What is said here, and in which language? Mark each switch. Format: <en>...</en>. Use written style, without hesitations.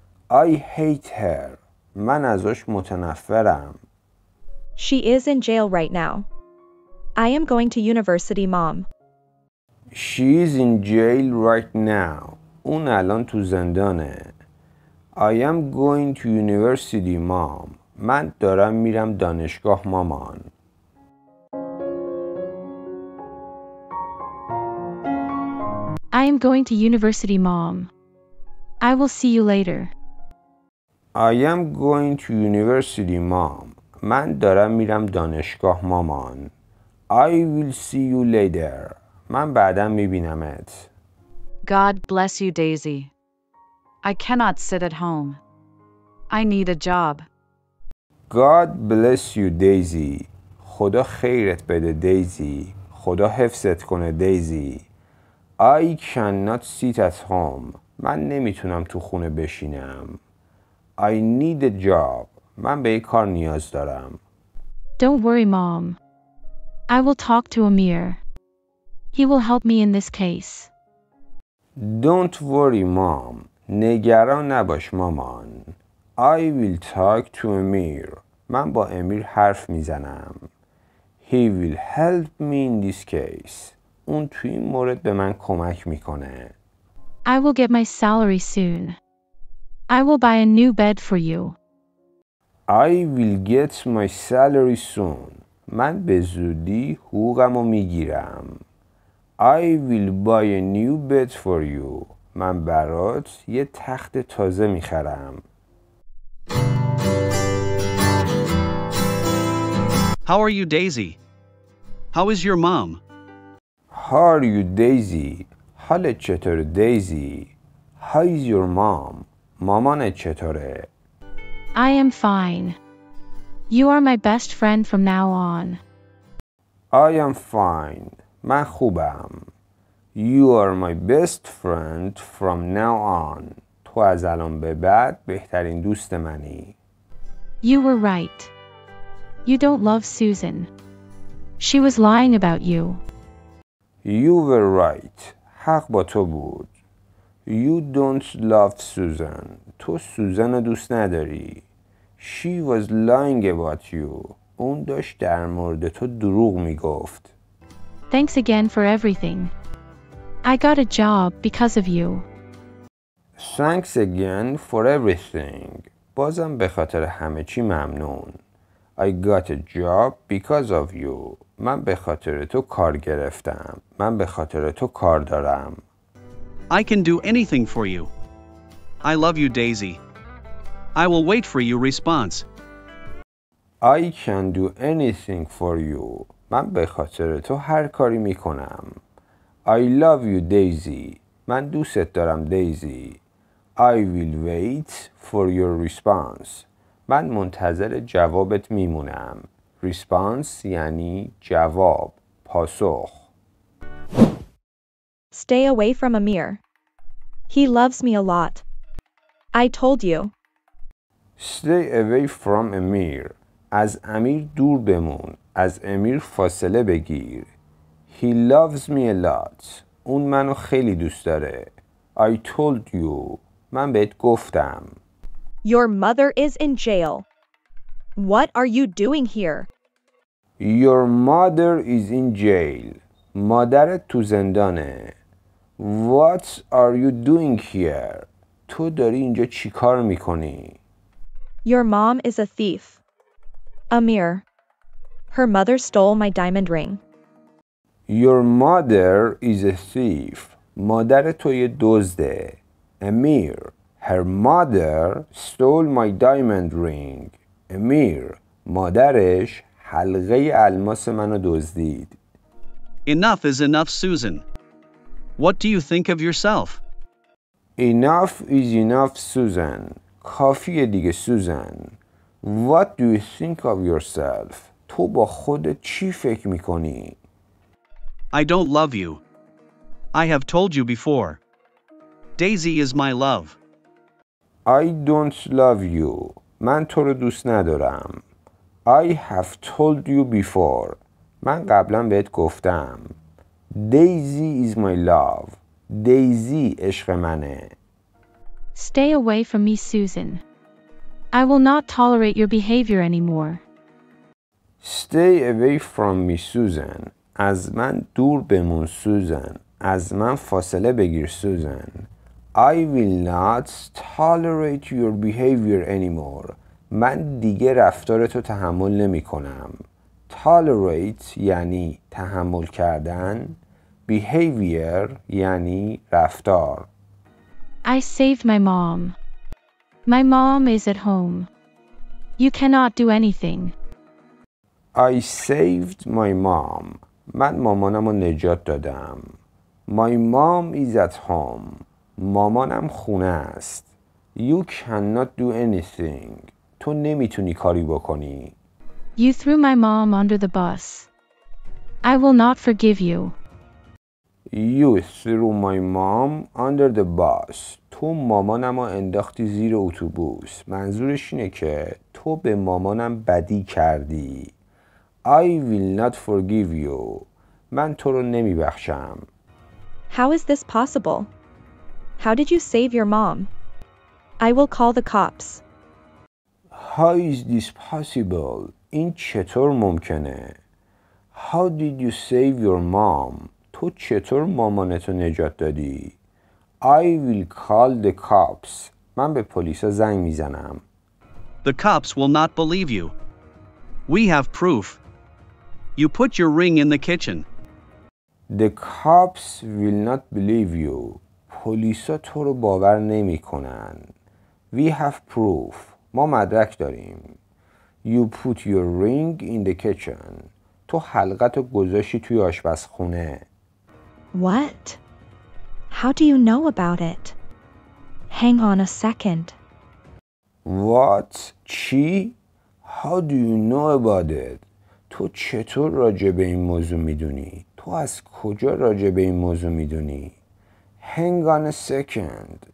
<en>I hate her.</en> <fa>من ازش متنفرم.</fa> <en>She is in jail right now. I am going to university, Mom. She is in jail right now.</en> <fa>اون الان تو زندانه.</fa> <en>I am going to university, Mom.</en> <fa>من دارم میرم دانشگاه, مامان.</fa> <en>I am going to university, Mom. I will see you later. I am going to university, Mom.</en> <fa>من دارم میرم دانشگاه, مامان.</fa> <en>I will see you later.</en> <fa>من بعدم میبینمت.</fa> <en>God bless you, Daisy. I cannot sit at home. I need a job. God bless you, Daisy.</en> <fa>خدا خیرت بده, Daisy. خدا حفظت کنه, Daisy.</fa> <en>I cannot sit at home.</en> <fa>من نمیتونم تو خونه بشینم.</fa> <en>I need a job.</en> <fa>من به یک کار نیاز دارم.</fa> <en>Don't worry, Mom. I will talk to Amir. He will help me in this case. Don't worry, Mom.</en> <fa>نگران نباش, مامان.</fa> <en>I will talk to Amir.</en> <fa>من با امیر حرف میزنم.</fa> <en>He will help me in this case.</en> <fa>اون توی این مورد به من کمک میکنه.</fa> <en>I will get my salary soon. I will buy a new bed for you. I will get my salary soon.</en> <fa>من به زودی حقوقم رو میگیرم.</fa> <en>I will buy a new bed for you.</en> <fa>من برات یه تخت تازه میخرم.</fa> <en>How are you, Daisy? How is your mom? How are you, Daisy?</en> <fa>حالت چطوره, Daisy?</fa> <en>How is your mom?</en> <fa>مامانت چطوره؟</fa> <en>I am fine. You are my best friend from now on. I am fine.</en> <fa>من خوبم.</fa> <en>You are my best friend from now on.</en> <fa>تو از الان به بعد بهترین دوست منی.</fa> <en>You were right. You don't love Susan. She was lying about you. You were right.</en> <fa>حق با تو بود.</fa> <en>You don't love Susan.</en> <fa>تو سوزن رو دوست نداری.</fa> <en>She was lying about you.</en> <fa>اون داشت در مورد تو دروغ میگفت.</fa> <en>Thanks again for everything. I got a job because of you. Thanks again for everything.</en> <fa>بازم به خاطر همه چی ممنون.</fa> <en>I got a job because of you.</en> <fa>من به خاطر تو کار گرفتم. من به خاطر تو کار دارم.</fa> <en>I can do anything for you. I love you, Daisy. I will wait for your response. I can do anything for you.</en> <fa>من به خاطر تو هر کاری میکنم.</fa> <en>I love you, Daisy.</en> <fa>من دوستت دارم, Daisy.</fa> <en>I will wait for your response.</en> <fa>من منتظر جوابت میمونم. Response یعنی جواب, پاسخ.</fa> <en>Stay away from Amir. He loves me a lot. I told you. Stay away from Amir.</en> <fa>از امیر دور بمون. از امیر فاصله بگیر.</fa> <en>He loves me a lot.</en> <fa>اون منو خیلی دوست داره.</fa> <en>I told you.</en> <fa>من بهت گفتم.</fa> <en>Your mother is in jail. What are you doing here? Your mother is in jail.</en> <fa>مادرت تو زندانه.</fa> <en>What are you doing here?</en> <fa>تو داری اینجا چی کار میکنی؟</fa> <en>Your mom is a thief. Amir. Her mother stole my diamond ring. Your mother is a thief.</en> <fa>مادرت تو یه دزده.</fa> <en>Amir. Her mother stole my diamond ring. Amir.</en> <fa>مادرش حلقه الماس منو دزدید.</fa> <en>Enough is enough, Susan. What do you think of yourself? Enough is enough, Susan.</en> <fa>کافیه دیگه, Susan.</fa> <en>What do you think of yourself?</en> <fa>تو با خودت چی فکر میکنی؟</fa> <en>I don't love you. I have told you before. Daisy is my love. I don't love you.</en> <fa>من تو رو دوست ندارم.</fa> <en>I have told you before.</en> <fa>من قبلا بهت گفتم.</fa> <en>Daisy is my love.</en> <fa>Daisy عشق منه.</fa> <en>Stay away from me, Susan. I will not tolerate your behavior anymore. Stay away from me, Susan.</en> <fa>از من دور بمون, Susan. از من فاصله بگیر, Susan.</fa> <en>I will not tolerate your behavior anymore.</en> <fa>من دیگه رفتارتو تحمل نمی کنم. Tolerate یعنی تحمل کردن. Behavior یعنی رفتار.</fa> <en>I saved my mom. My mom is at home. You cannot do anything. I saved my mom.</en> <fa>من مامانمو نجات دادم.</fa> <en>My mom is at home.</en> <fa>مامانم خونه است.</fa> <en>You cannot do anything.</en> <fa>تو نمیتونی کاری بکنی.</fa> <en>You threw my mom under the bus. I will not forgive you. You threw my mom under the bus.</en> <fa>تو مامانمو انداختی زیر اتوبوس. منظورش اینه که تو به مامانم بدی کردی.</fa> <en>I will not forgive you.</en> <fa>من تو رو نمیبخشم.</fa> <en>How is this possible? How did you save your mom? I will call the cops. How is this possible?</en> <fa>این چطور ممکنه؟</fa> <en>How did you save your mom?</en> <fa>تو چطور مامانتو نجات دادی؟</fa> <en>I will call the cops.</en> <fa>من به پلیسا زنگ میزنم.</fa> <en>The cops will not believe you. We have proof. You put your ring in the kitchen. The cops will not believe you.</en> <fa>پلیسا تو رو باور نمی کنن.</fa> <en>We have proof.</en> <fa>ما مدرک داریم.</fa> <en>You put your ring in the kitchen.</en> <fa>تو حلقت رو گذاشتی توی آشپزخونه.</fa> <en>What? How do you know about it? Hang on a second. What?</en> <fa>چی?</fa> <en>How do you know about it?</en> <fa>تو چطور راجع به این موضوع می دونی؟ تو از کجا راجع به این موضوع می دونی؟</fa> <en>Hang on a second.</en>